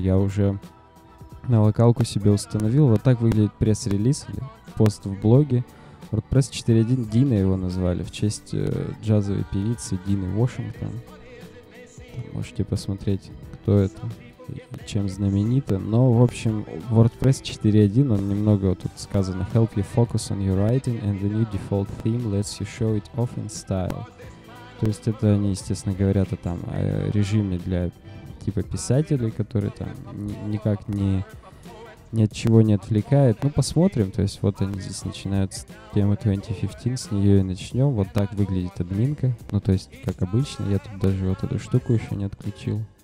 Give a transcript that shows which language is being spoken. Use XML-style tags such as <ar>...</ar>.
<ru>Я уже на локалку себе установил. Вот так выглядит пресс-релиз, пост в блоге. WordPress 4.1, Дина его назвали, в честь джазовой певицы Дины Вашингтон. Там можете посмотреть, кто это, чем знаменита. Но, в общем, WordPress 4.1, он немного вот тут сказано.</ru> <en>Help you focus on your writing, and the new default theme lets you show it off in style.</en> <ru>То есть это они, естественно, говорят о, там, о режиме для типа писателей, который там никак не... ни от чего не отвлекает. Ну, посмотрим. То есть вот они здесь начинают с темы 2015, с нее и начнем. Вот так выглядит админка. Ну, то есть, как обычно. Я тут даже вот эту штуку еще не отключил.</ru>